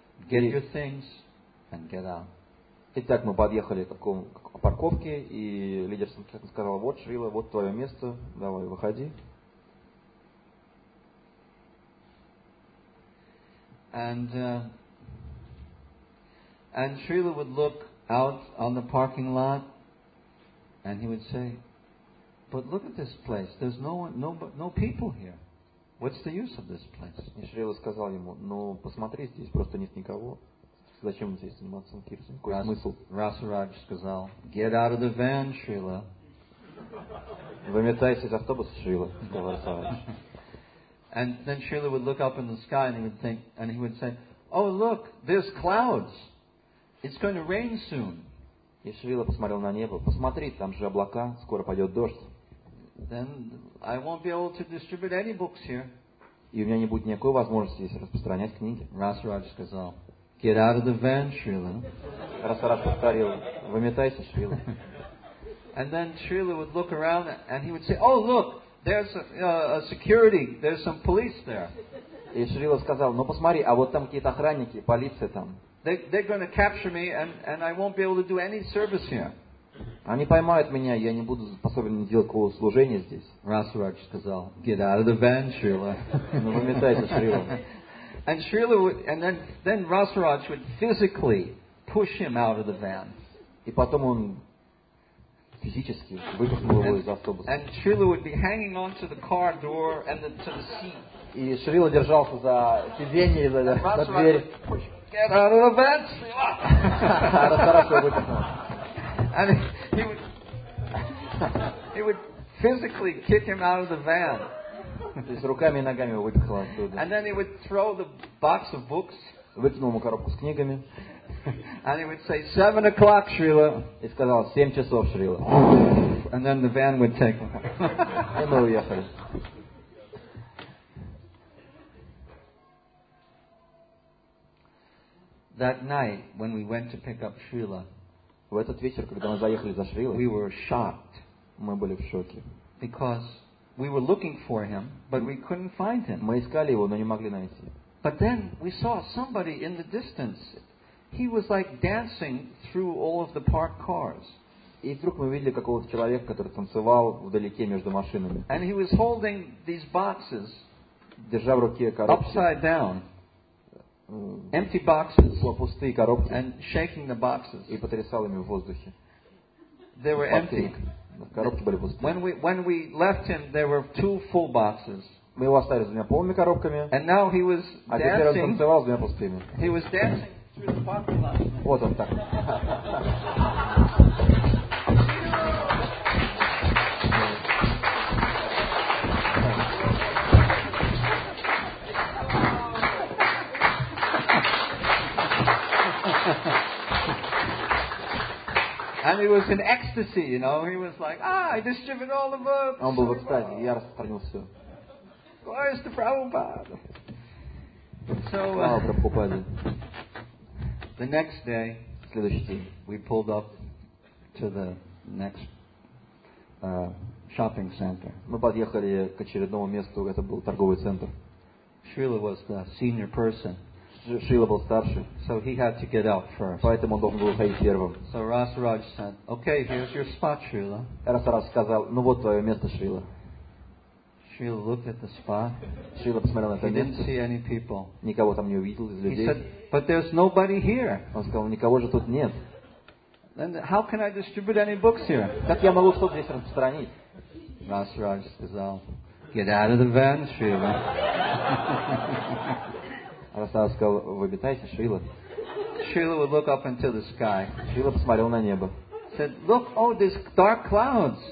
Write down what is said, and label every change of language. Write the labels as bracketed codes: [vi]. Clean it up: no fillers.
[en] Get your things and get out." [ru] Итак, мы подъехали к парковке, и лидер Санкиртан сказал, вот, Шрила, вот твое место, давай, выходи. [en] And Srila would look out on the parking lot and he would say, "But look at this place. There's no people here. What's the use of this place?" [ru] И Шрила сказал ему, "Ну, посмотри, здесь просто нет никого. Зачем здесь заниматься санкиртаной? Какой смысл?" Расараджа сказал, [en] "Get out of the van, Srila." [ru] Выметайся из автобуса, Шрила, сказал Расараджа. [en] And then Srila would look up in the sky and he would say, "Oh, look, there's clouds. It's going to rain soon." [ru] И Шрила посмотрел на небо. "Посмотри, там же облака, скоро пойдет дождь." [en] Then I won't be able to distribute any books here. [ru] И у меня не будет никакой возможности здесь распространять книги. Расараджа сказал, [en] "Get out of the van, Srila." [ru] Расараджа повторил, "Выметайся, Шрила." [en] And then Srila would look around and he would say, "Oh, look, there's a security, there's some police there." [ru] И Шрила сказал, "Ну посмотри, а вот там какие-то охранники, полиция там." [en] They're going to capture me and I won't be able to do any service here. [ru] Они поймают меня, я не буду способен делать какого служения здесь. Расараджа сказал, [en] "Get out of the van, Srila." [ru] Ну, выметайся, Шрила. [en] And Srila would, and then Расараджа would physically push him out of the van. [ru] И потом он физически выпихнул его из автобуса. [en] And Srila would be hanging on to the car door and to the seat. [ru] И Шрила держался за сиденье и за дверь. [en] "Get out of the van, Srila." [ru] Расараджа выпихнул. [en] And he would physically kick him out of the van. [ru] С руками и ногами его выпихнул оттуда. [en] And then he would throw the box of books. [ru] Выкинул ему коробку с книгами. [en] And he would say, "7 o'clock, Srila." [ru] И сказал, 7 часов, Шрила. [en] And then the van would take him. [ru] И мы уехали. [en] That night, when we went to pick up Srila, [ru] в этот вечер, когда мы заехали за Шрилой, [en] we were shocked. [ru] Мы были в шоке. [en] Because we were looking for him, but we couldn't find him. [ru] Мы искали его, но не могли найти. [en] But then we saw somebody in the distance. He was like dancing through all of the parked cars. [ru] И вдруг мы видели какого-то человека, который танцевал вдалеке между машинами. [en] And he was holding these boxes, [ru] держа в руке коробки, [en] upside down. Empty boxes, [ru] пустые коробки, [en] and shaking the boxes. [ru] И потрясал ими в воздухе. [en] They were empty. [ru] Коробки были пустые. [en] When we left him, there were two full boxes. [ru] Мы его оставили с двумя полными коробками. [en] And now he was dancing. [ru] А теперь он танцевал с двумя пустыми. [en] He was dancing through the parking lot. [ru] Вот он так. [en] And he was in ecstasy, you know. He was like, ah, I distributed all the books. [ru] Он был в экстазе, я распространил все. [en] Why is the Prabhupada? So, the next day, we pulled up to the next shopping center. [ru] Мы подъехали к очередному месту, это был торговый центр. [en] Srila was the senior person. [ru] Srila был старше. [en] So he had to get out first. [ru] Поэтому он должен был выходить первым. [en] So Rasaraj said, okay, here's your spot, Srila. [ru] Rasaraj сказал, ну вот твое место, Srila. [en] Srila looked at the spot. [ru] Srila посмотрел на это место. [en] He didn't see any people. [ru] Никого там не увидел из людей. [en] He said, but there's nobody here. [ru] Он сказал, никого же тут нет. [en] Then how can I distribute any books here? [ru] Как я могу что-то здесь распространить? [en] Rasaraj [ru] сказал, [en] get out of the van, Srila. [ru] Расава сказал, выбитайся, Шрила. [en] Шрила would look up into the sky. [ru] Шрила посмотрел на небо. [en] Said, look, oh, these dark clouds.